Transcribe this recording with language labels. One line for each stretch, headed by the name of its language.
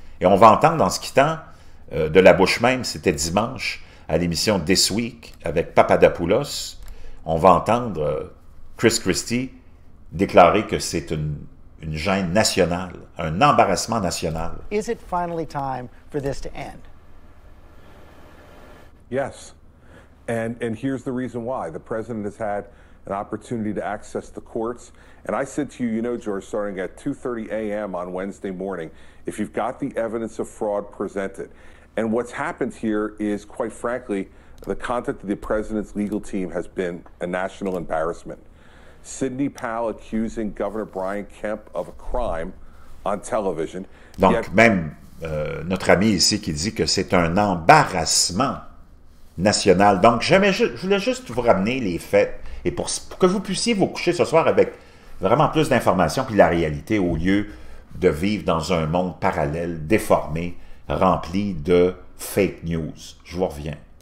French: Et on va entendre en se quittant de la bouche même, c'était dimanche, à l'émission This Week avec Papadopoulos, on va entendre Chris Christie déclarer que c'est une gêne nationale, un embarrassement national.
English: Is it finally time for this to end? Yes. And here's the reason why. The president has had an opportunity to access the courts. And I said to you, you know, George, starting at 2:30 a.m. on Wednesday morning, if you've got the evidence of fraud presented, and what's happened here is, quite frankly, the conduct of the president's legal team has been a national embarrassment. Sidney Powell accusing Governor Brian Kemp of a crime on television.
French: Donc, même notre ami ici qui dit que c'est un embarrassement national. Donc, je voulais juste vous ramener les faits et pour que vous puissiez vous coucher ce soir avec vraiment plus d'informations puis la réalité au lieu de vivre dans un monde parallèle, déformé, rempli de fake news. Je vous reviens.